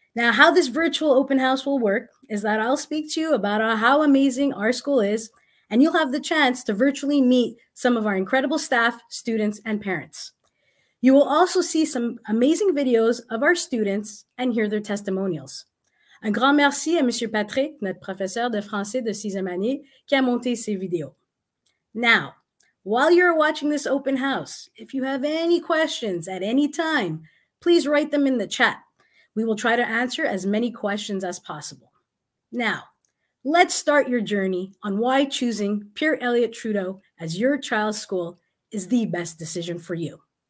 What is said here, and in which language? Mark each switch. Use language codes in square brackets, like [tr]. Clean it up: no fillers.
[en] Now, how this virtual open house will work is that I'll speak to you about how amazing our school is, and you'll have the chance to virtually meet some of our incredible staff, students, and parents. You will also see some amazing videos of our students and hear their testimonials. [fr] Un grand merci à Monsieur Patrick, notre professeur de français de sixième année, qui a monté ces vidéos. [en] Now, while you're watching this open house, if you have any questions at any time, please write them in the chat. We will try to answer as many questions as possible. Now, let's start your journey on why choosing Pierre Elliott Trudeau as your child's school is the best decision for you.